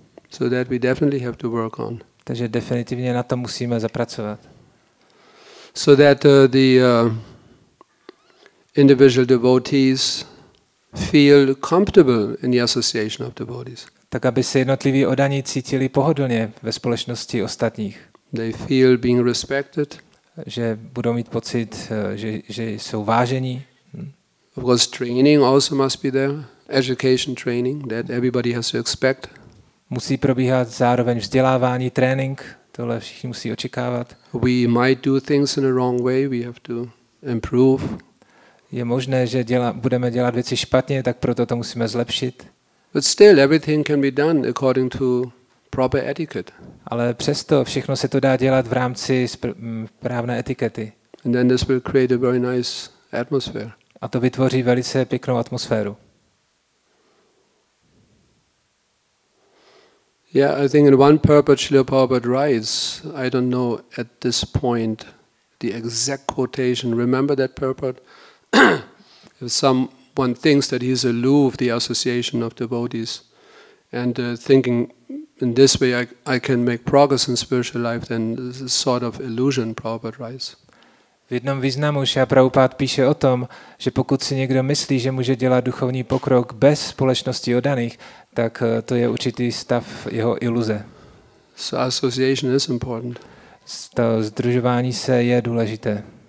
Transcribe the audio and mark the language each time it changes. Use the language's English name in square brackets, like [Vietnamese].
[English] So that we definitely have to work on. [Czech] Takže definitivně na to musíme zapracovat. [English] So that the individual devotees feel comfortable in the association of devotees. [Czech] Tak aby se jednotliví odaní cítili pohodlně ve společnosti ostatních. [English] They feel being respected. [Czech] Že budou mít pocit, že jsou vážení. [English] Of course, training also must be there. Education training that everybody has to expect. [Czech] musí probíhat zároveň vzdělávání, trénink, tohle všichni musí očekávat. [English] We might do things in a wrong way, we have to improve. [Czech] Je možné, že budeme dělat věci špatně, tak proto to musíme zlepšit. [English] But still everything can be done according to proper etiquette. [Czech] Ale přesto všechno se to dá dělat v rámci správné etikety. [English] And then this will create a very nice atmosphere. [Czech] A to vytvoří velice pěknou atmosféru. [English] Yeah, I think in one purport Srila Prabhupada writes, I don't know at this point the exact quotation. Remember that purport? If someone thinks that he's aloof, the association of devotees, and thinking in this way I can make progress in spiritual life, then this is sort of illusion, Prabhupada writes. [Czech] V jednom významu Srila Prabhupada píše o tom, že pokud si někdo myslí, že může dělat duchovní pokrok bez společnosti oddaných, tak to je určitý stav jeho iluze. [English] So association is important. [Czech] To sdružování se je důležité.